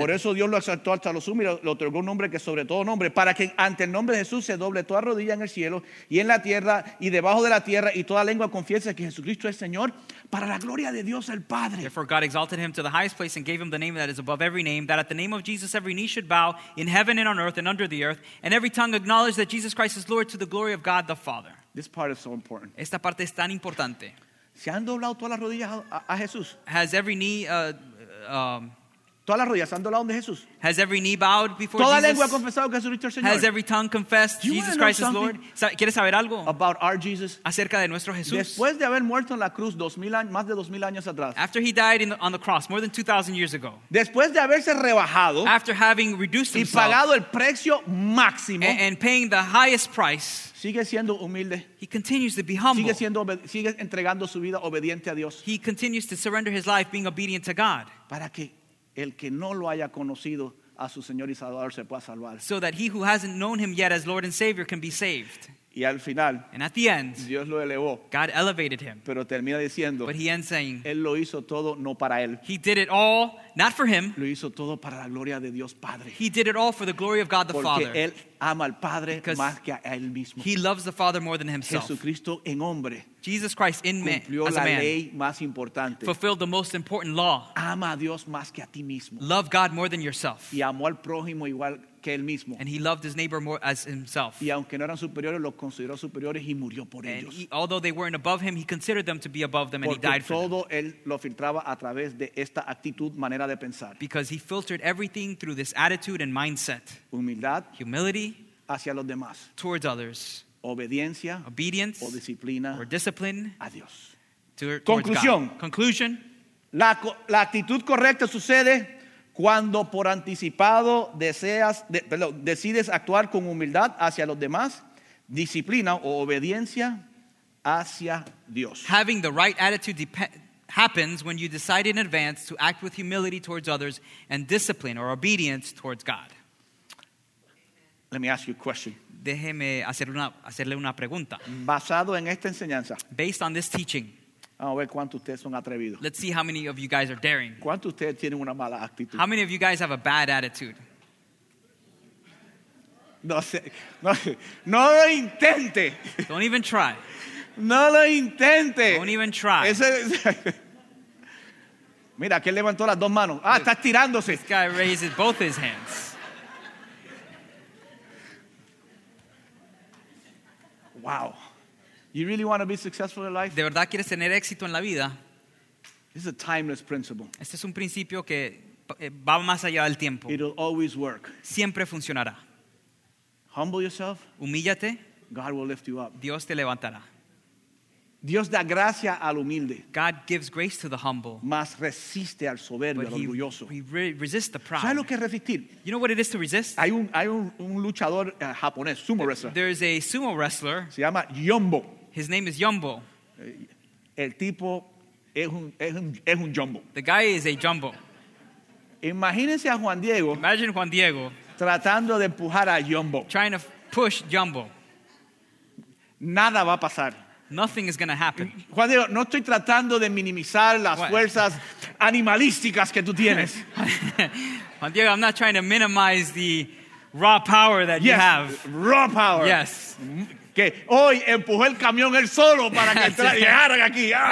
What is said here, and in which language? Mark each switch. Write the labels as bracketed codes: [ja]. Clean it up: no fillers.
[es] Por eso Dios lo exaltó hasta lo sumo y lo otorgó un que sobre todo nombre para que ante el nombre de Jesús se doble toda rodilla en el cielo y en la tierra y debajo de la tierra y toda lengua confiese que Jesucristo es Señor para la gloria de Dios el Padre. [en] Therefore God exalted him to the highest place and gave him the name that is above every name, that at the name of Jesus every knee should bow in heaven and on earth and under the earth, and every tongue acknowledge that Jesus Christ is Lord to the glory of God the Father. This part is so important. [es] Esta parte es tan importante. ¿Se han doblado todas las rodillas a Jesús? [en] Has every knee [es] todas las rodillas han doblado donde Jesús. [en] Has every knee bowed before [es] toda [en] Jesus? [es] Toda lengua ha confesado que Jesucristo es Señor. [en] Has every tongue confessed Jesus Christ is Lord? [es] ¿Quieres saber algo? [en] About our Jesus. [es] Acerca de nuestro Jesús. Después de haber muerto en la cruz 2000 años, más de 2000 años atrás. [en] After he died on the cross, more than 2,000 years ago. [es] Después de haberse rebajado. [en] After having reduced himself. [es] Y pagado el precio máximo. [en] And paying the highest price. [es] Sigue siendo humilde. [en] He continues to be humble. [es] Sigue entregando su vida obediente a Dios. [en] He continues to surrender his life being obedient to God. [es] ¿Para qué? El que no lo haya conocido a su Señor y Salvador se pueda salvar. [en] So that he who hasn't known him yet as Lord and Savior can be saved. [es] Y al final, [en] and at the end, [es] Dios lo elevó. [en] God elevated him. [es] Pero termina diciendo, [en] but he ends saying, [es] él lo hizo todo no para él. [en] He did it all, not for him. [es] Lo hizo todo para la gloria de Dios Padre. [en] He did it all for the glory of God the [es] porque [en] Father. [es] Porque él ama al Padre más que a él mismo. [en] He loves the Father more than himself. [es] Jesucristo en hombre. [en] Jesus Christ in man. [es] Cumplió la ley más importante. [en] Fulfilled the most important law. [es] Ama a Dios más que a ti mismo. [en] Love God more than yourself. [es] Y amó al prójimo igual. [en] And he loved his neighbor more as himself. [es] Y aunque no eran superiores, los consideró superiores y murió por [en] and [es] ellos. [en] He, although they weren't above him, he considered them to be above them, [es] porque [en] and he died [es] todo [en] for them. [es] Él lo filtraba a través de esta actitud, manera de pensar. [en] Because he filtered everything through this attitude and mindset. [es] Humildad. [en] Humility. [es] Hacia los demás. [en] Towards others. [es] obediencia, [en] obedience, [es] o disciplina, [en] or discipline, [es] a Dios. Conclusión. Conclusion. La actitud correcta sucede cuando por anticipado decides actuar con humildad hacia los demás, disciplina o obediencia hacia Dios. [en] Having the right attitude happens when you decide in advance to act with humility towards others and discipline or obedience towards God. Let me ask you a question. [es] Déjeme hacerle una pregunta. Basado en esta enseñanza. [en] Based on this teaching. [es] A ver cuántos ustedes son atrevidos. [en] Let's see how many of you guys are daring. [es] ¿Cuántos ustedes tienen una mala actitud? [en] How many of you guys have a bad attitude? [es] No sé. No lo intente. [en] Don't even try. [es] No lo intente. [en] Don't even try. [es] Mira, que levantó las dos manos. Ah, está estirándose. [en] This guy raises both his hands. Wow. You really want to be successful in life? [es] ¿De verdad quieres tener éxito en la vida? [en] This is a timeless principle. [es] Este es un principio que va más allá del tiempo. [en] It'll always work. [es] Siempre funcionará. [en] Humble yourself. [es] Humíllate. [en] God will lift you up. [es] Dios te levantará. Dios da gracia al humilde. [en] God gives grace to the humble. [es] Mas resiste al soberbio, al orgulloso. [en] He resists the proud. [es] ¿Sabes lo que es resistir? [en] You know what it is to resist? [es] Hay un luchador japonés, sumo wrestler. [en] There is a sumo wrestler. [es] Se llama Yombo. [en] His name is Yombo. [es] El tipo es un Yombo. [en] The guy is a Jumbo. [es] Imagínense a Juan Diego. [en] Imagine Juan Diego. [es] Tratando de empujar a Yombo. [en] Trying to push Yombo. [es] Nada va a pasar. [en] Nothing is going to happen. [es] Juan Diego, no estoy tratando de minimizar las fuerzas animalísticas que tú tienes. [en] Juan Diego, I'm not trying to minimize the raw power that yes, you have. Raw power. Yes. [es] Que hoy empujó el camión él solo para que llegaran aquí.